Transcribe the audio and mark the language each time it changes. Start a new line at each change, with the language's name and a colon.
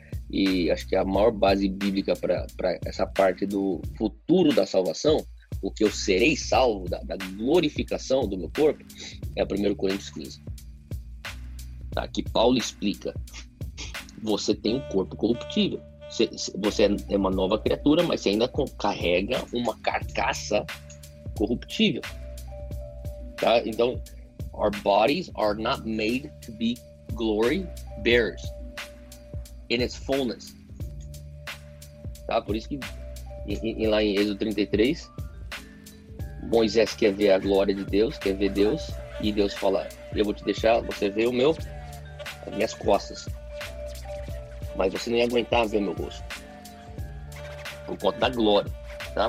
Portuguese: E acho que a maior base bíblica para essa parte do futuro da salvação, o que eu serei salvo da glorificação do meu corpo, é 1 Coríntios 15. Tá, que Paulo explica, você tem um corpo corruptível, você é uma nova criatura, mas você ainda carrega uma carcaça corruptível, tá? Então,
English: our bodies are not made to be glory bearers in its fullness,
Portuguese: tá? Por isso que lá em Êxodo 33, Moisés quer ver a glória de Deus, quer ver Deus, e Deus fala, eu vou te deixar, você vê o meu... as minhas costas, mas você não ia aguentar ver meu rosto por conta da glória, tá?